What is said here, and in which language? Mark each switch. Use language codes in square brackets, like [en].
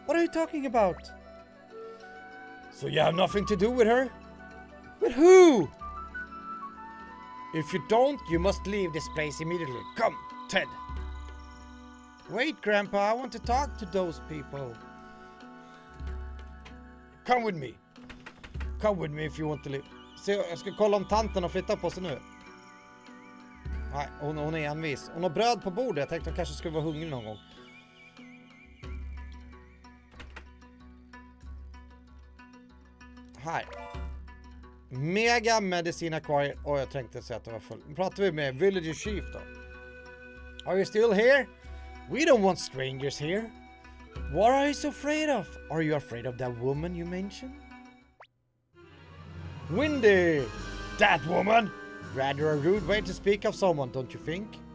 [en] What are you talking about? So you have nothing to do with her? With who? If you don't, you must leave this place immediately. Come, Ted. Wait, Grandpa, I want to talk to those people. Come with me. Come with me if you want to leave. [sv] Se, jag ska kolla om tanten har flyttat på sig nu. Nej, hon är envis. Hon har bröd på bordet. Jag tänkte hon kanske skulle vara hungrig någon gång. Här. Mega Medicine Aquarium. Och jag tänkte säga att det var full. Nu pratar vi med Villager Chief då. [en] Are you still here? We don't want strangers here. What are you so afraid of? Are you afraid of that woman you mentioned? Windy! That woman! Rather a rude way to speak of someone, don't you think?